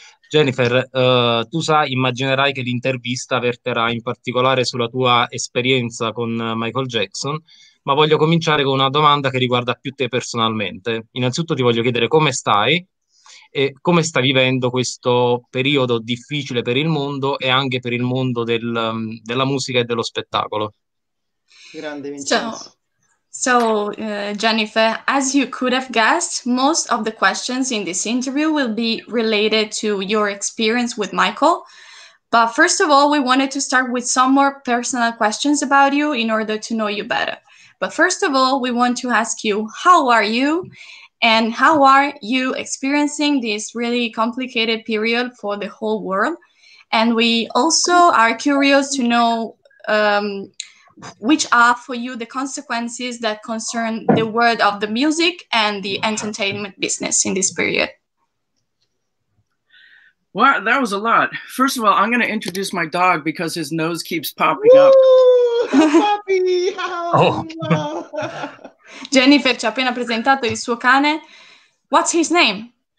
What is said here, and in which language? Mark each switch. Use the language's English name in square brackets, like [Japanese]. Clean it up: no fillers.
[Italian] Jennifer, tu sai, immaginerai che l'intervista verterà in particolare sulla tua esperienza con Michael Jackson, ma voglio cominciare con una domanda che riguarda più te personalmente. Innanzitutto ti voglio chiedere come stai e come stai vivendo questo periodo difficile per il mondo e anche per il mondo della musica e dello spettacolo. Grande Vincenzo. [English] So, Jennifer, as you could have guessed, most of the questions in this interview will be related to your experience with Michael. But first of all, we wanted to start with some more personal questions about you in order to know you better. But first of all, we want to ask you, how are you? And how are you experiencing this really complicated period for the whole world? And we also are curious to know, which are for you the consequences that concern the world of the music and the entertainment business in this period? Well, that was a lot. First of all, I'm going to introduce my dog because his nose keeps popping up. Woo! Ciao puppy! Oh. [Italian] Oh, Jennifer ci ha appena presentato il suo cane. [English] What's his name?